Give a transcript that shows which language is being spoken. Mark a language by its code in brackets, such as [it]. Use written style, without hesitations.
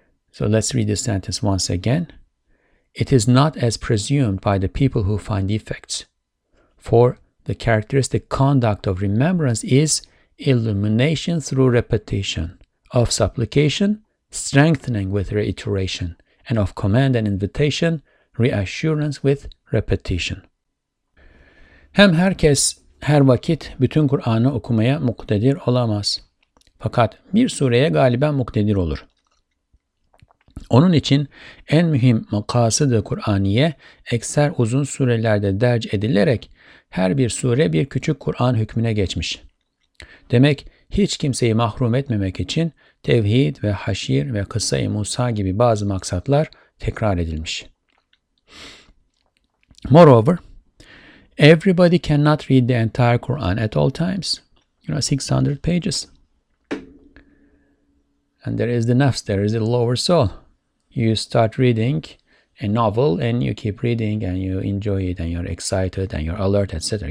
[en] So let's read this sentence once again. It is not as presumed by the people who find defects, for the characteristic conduct of remembrance is illumination through repetition, of supplication, strengthening with reiteration, and of command and invitation, reassurance with repetition. [tr] Hem herkes her vakit bütün Kur'an'ı okumaya muktedir olamaz. Fakat bir sureye galiben muktedir olur. Onun için en mühim makasıdı Kur'aniye ekser uzun surelerde derc edilerek her bir sure bir küçük Kur'an hükmüne geçmiş. Demek hiç kimseyi mahrum etmemek için tevhid ve haşir ve kıssa-i Musa gibi bazı maksatlar tekrar edilmiş. [en] Moreover, everybody cannot read the entire Quran at all times. 600 pages. And there is the nafs, there is the lower soul. You start reading a novel and you keep reading and you enjoy it and you're excited and you're alert, etc.